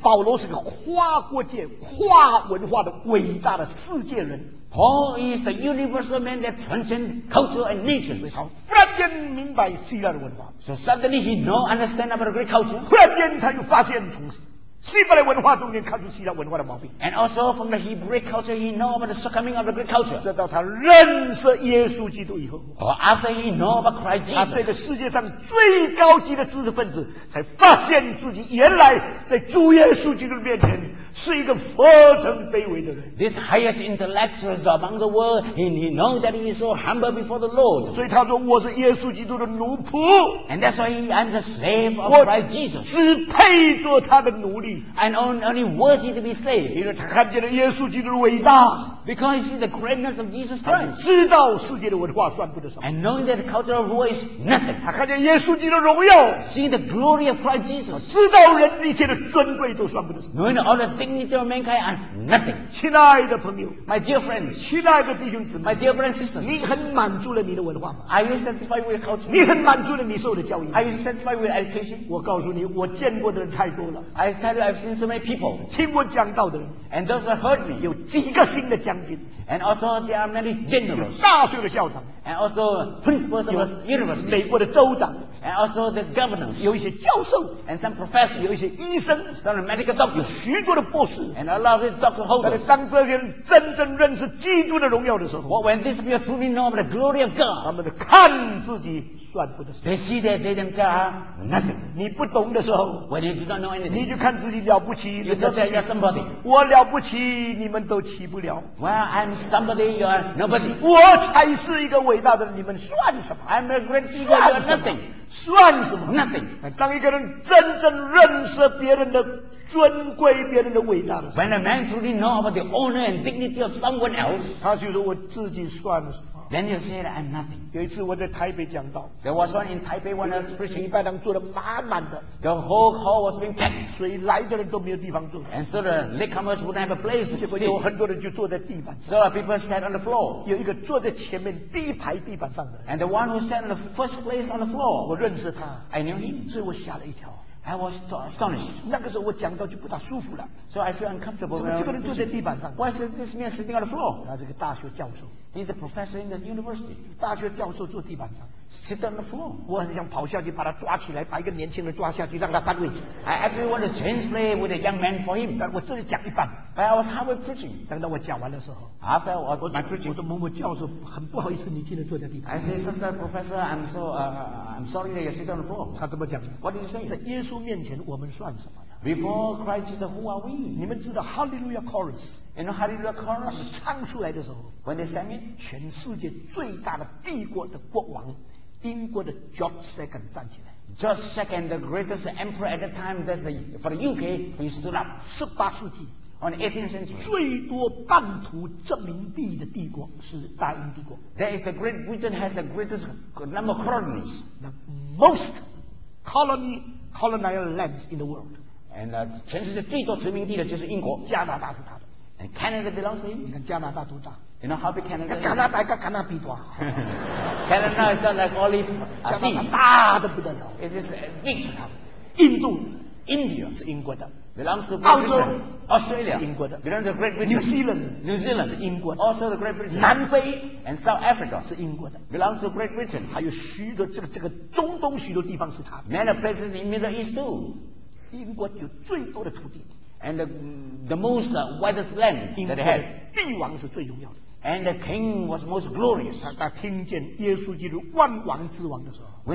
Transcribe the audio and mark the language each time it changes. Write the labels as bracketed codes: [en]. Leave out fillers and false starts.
[zh] 保罗是个跨国界、跨文化的伟大的世界人。 [en] Paul is the universal man that transcends culture and nations. [zh] 他忽然间明白希腊的文化。 [en] So suddenly he now understands about Greek culture. [zh] 忽然间他又发现从希伯来文化中间看出希腊文化的毛病。 [en] And also from the Hebrew culture, he know about the shortcoming of the Greek culture. [zh] 直到他认识耶稣基督以后。 [en] Or after he know about Christ Jesus. [zh] 他对着世界上最高级的知识分子，才发现自己原来在主耶稣基督的面前是一个何等卑微的人。 [en] This highest intellectuals among the world, he know that he is so humble before the Lord. [zh] 所以他说我是耶稣基督的奴仆。 [en] And that's why I'm the slave of Christ Jesus. [zh] 只配做他的奴隶。 [en] And only worthy to be slave. [zh] 因为他看见了耶稣基督的伟大。 [en] Because you see the greatness of Jesus Christ. [zh] 知道世界的文化算不得什么。 [en] And knowing that the culture of the world is nothing. [zh] 他看见耶稣基督的荣耀。 [en] Seeing the glory of Christ Jesus. [zh] 知道人一切的尊贵都算不得什么。 [en] Knowing all the dignity of mankind are nothing. [zh] 亲爱的朋友。 [en] My dear friends. [zh] 亲爱的弟兄姊妹。 [en] My dear brothers and sisters. [zh] 你很满足了你的文化吗？ [en] Are you satisfied with your culture? [zh] 你很满足了你受的教育吗？ [en] Are you satisfied with education? [zh] 我告诉你，我见过的人太多了。 [en] I tell you, I've seen so many people. [zh] 听我讲道的人。 [en] And those that heard me. [zh] 有几个新的讲。 [en] And also there are many generals. [zh] 有大学的校长。 [en] And also principals of universities. [zh] 美国的州长。 [en] And also the governors. [zh] 有一些教授。 [en] And some professors. [zh] 有一些医生。 [en] Some medical doctors. [zh] 有许多的博士。 [en] And a lot of doctor holders. [zh] 但是当这些人真正认识基督的荣耀的时候。 [en] Well, when these people truly know the glory of God. [zh] 他们的看自己算不得什么。 [en] They see that they themselves are nothing. [zh] 你不懂的时候。 [en] When you do not know anything. [zh] 你就看自己了不起。 [en] You just say you're somebody. [zh] 我了不起，你们都起不了。 [en] Well, I'm somebody, you are nobody. [zh] 我才是一个伟大的，你们算什么？ [en] I'm a great figure, you are nothing. [zh] 算什么？ [en] Nothing. [zh] 当一个人真正认识别人的尊贵，别人的伟大的， [en] When a man truly know about the honor and dignity of someone else, [zh] 他就说我自己算什么？ [en] Then you say that I'm nothing. [zh] 有一次我在台北讲道， [en] There was one in Taipei when I was preaching. [zh] 礼拜堂坐得满满的， [en] The whole hall was being packed. [zh] 所以来的人都没有地方坐。 [en] And so the latecomers wouldn't have a place. [zh] 结果有很多人就坐在地板上。 [en] So people sat on the floor. [zh] 有一个坐在前面第一排地板上的。 [en] And the one who sat in the first place on the floor. [zh] 我认识他。 [en] I knew him. [zh] 所以我吓了一跳。 [en] I was astonished. [zh] 那个时候我讲到就不大舒服了。 [en] So I feel uncomfortable. [zh] 怎么这个人坐在地板上？ [en] Why is this man sitting on the floor? [zh] 他是个大学教授。 [en] He's a professor in the university. [zh] 大学教授坐地板上。 [en] Sit on the floor. [zh] 我很想跑下去把他抓起来，把一个年轻人抓下去，让他单位。 [en] I actually want to change play with a young man for him. [zh] 但我自己讲一半。 [en] But I was halfway preaching. [zh] 等到我讲完的时候。 [en] After my preaching. [zh] 我说某某教授，很不好意思，你今天坐在地板上。 [en] I said, Sir, Professor, I'm sorry that you sit on the floor. [zh] 他怎么讲？ [en] What did you say? [zh] 在耶稣面前我们算什么？ [en] Before Christ Jesus, who are we? [zh] 你们知道 Hallelujah Chorus. [en] You know Hallelujah Chorus? [zh] 唱出来的时候。 [en] When they sang it? [zh] 全世界最大的帝国的国王，英国的 George II 站起来。 [en] George II, the greatest emperor at the time, that's for the UK, he stood up. [zh] 十八世纪。 [en] On the 18th century, [zh] 最多版图证明地的帝国是大英帝国。 [en] That is the Great Britain has the greatest number of colonies, the most colonial lands in the world. And [zh] 全世界最多殖民地的就是英国。加拿大是他的。 [en] And Canada belongs to him. [zh] 你看加拿大多大。 [en] You know how big Canada is? [zh] 加拿大跟加拿大比多。 [en] Canada is not like olive sea. [zh] 加拿大大的不得了。 [en] It is big. [zh] 印度 [en] ，India [zh] 是英国的。 [en] Belongs to Great Britain. Australia [zh] 是英国的。 [en] Belongs to Great Britain. [zh] New Zealand 是英国的。 [en] Also the Great Britain. [zh] 南非 [en] and South Africa [zh] 是英国的。 [en] Belongs to Great Britain. [zh] 还有许多这个中东许多地方是他的。 [en] Many places in Middle East too. [zh] 英国有最多的土地。 [en] And the most widest land that they had. [zh] 帝王是最重要的。 [en] And the king was most glorious. [zh] 他听见耶稣基督万王之王的时候。